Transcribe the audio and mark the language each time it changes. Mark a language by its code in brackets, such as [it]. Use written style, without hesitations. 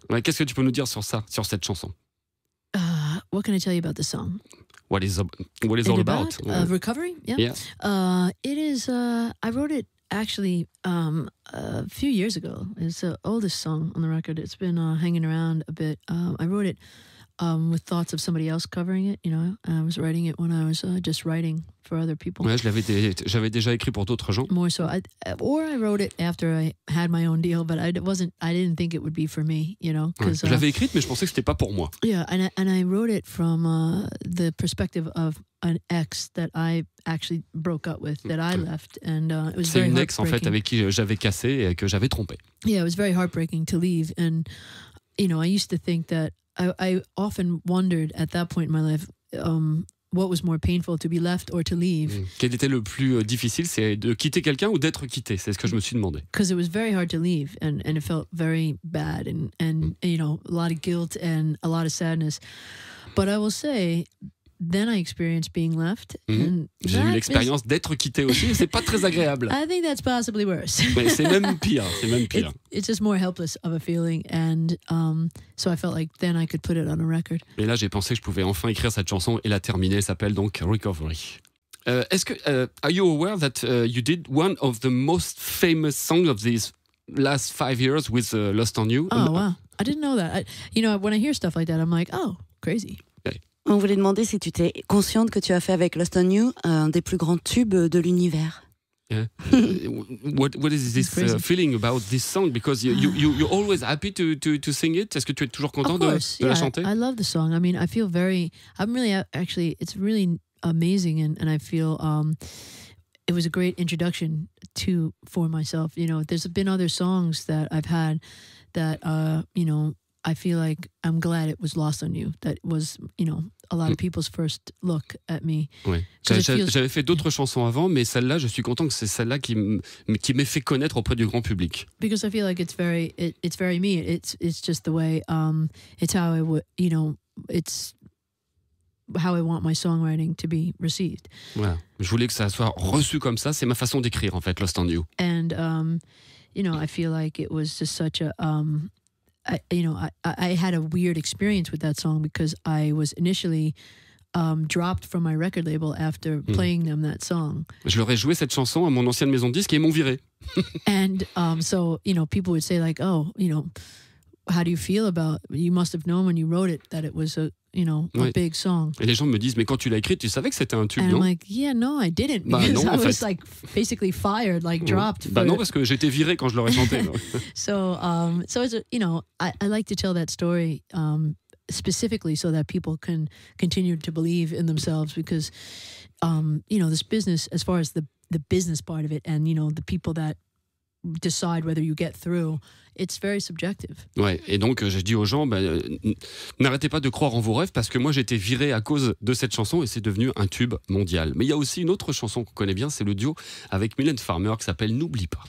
[fr] Ouais, qu'est-ce que tu peux nous dire sur ça, sur cette chanson? [en] What can I tell you about the song? What is all about? Recovery? Yeah. Yeah. I wrote it actually a few years ago. It's the oldest song on the record. It's been hanging around a bit. I wrote it with thoughts of somebody else covering it, you know. I was writing it when I was just writing for other people. [fr] Ouais, j'avais déjà écrit pour d'autres gens. [en] More so. I wrote it after I had my own deal, but I didn't think it would be for me, you know. [fr] Ouais. Je l'avais écrite, mais je pensais que c'était pas pour moi. [en] Yeah, and I wrote it from the perspective of an ex that I actually broke up with, that I left, and it was [fr] C'est une ex, en fait, avec qui j'avais cassé et que j'avais trompé. [en] Yeah, it was very heartbreaking to leave, and, you know, I used to think that I often wondered at that point in my life what was more painful, to be left or to leave. [fr] Quel était le plus difficile, c'est de quitter quelqu'un ou d'être quitté? C'est ce que je me suis demandé. [en] Because it was very hard to leave, and it felt very bad, and you know, a lot of guilt and a lot of sadness. But I will say, then I experienced being left. [fr] J'ai eu l'expérience d'être quitté aussi, c'est pas très agréable. [en] I think that's possibly worse. [fr] Mais c'est même pire. [en] It's just more helpless of a feeling, and so I felt like then I could put it on a record. [fr] Et là, j'ai pensé que je pouvais enfin écrire cette chanson et la terminer. Elle s'appelle donc Recovery. [en] Are you aware that you did one of the most famous songs of these last 5 years with Lost on You? Oh, wow. I didn't know that. When I hear stuff like that, I'm like, oh, crazy. [fr] On voulait demander si tu t'es consciente que tu as fait avec Lost on You un des plus grands tubes de l'univers. [en] Yeah. What is this feeling about this song? Because you're always happy to sing it. [fr] Est-ce que tu es toujours content de la chanter? [en] I love the song. I mean, I feel very. I'm really actually. It's really amazing, and I feel it was a great introduction for myself. You know, there's been other songs that I've had that you know. I feel like I'm glad it was Lost on You. That was, you know, a lot of people's first look at me. [fr] Oui. J'avais fait d'autres chansons avant, mais celle-là, je suis content que c'est celle-là qui m'ait fait connaître auprès du grand public. [en] Because I feel like it's very me. It's just the way it's how I would, you know, it's how I want my songwriting to be received. [fr] Voilà. Je voulais que ça soit reçu comme ça. C'est ma façon d'écrire, en fait, Lost on You. [en] And you know, I feel like it was just such a I had a weird experience with that song because I was initially dropped from my record label after playing them that song. [fr] Je leur ai joué cette chanson à mon ancienne maison de disques et ils m'ont viré. [en] And so, you know, people would say like, oh, you know, how do you feel about, you must have known when you wrote it that it was a, you know, a big song. [fr] Et les gens me disent, mais quand tu l'as écrit, tu savais que c'était un tube, [en] and [fr] non? [en] I'm like, yeah, no, I didn't. [fr] Bah, [en] because [fr] non, [en] I was [fr] fait. [en] Like basically fired, like dropped. [fr] Bah non, parce que j'étais viré quand je l'aurais chanté. [en] So as a, you know, I like to tell that story specifically so that people can continue to believe in themselves because, you know, this business, as far as the business part of it and, you know, the people that decide whether you get through, it's very subjective. [fr] Ouais, et donc j'ai dit aux gens, n'arrêtez pas de croire en vos rêves parce que moi j'étais viré à cause de cette chanson et c'est devenu un tube mondial. Mais il y a aussi une autre chanson qu'on connaît bien, c'est le duo avec Mylène Farmer qui s'appelle N'oublie pas.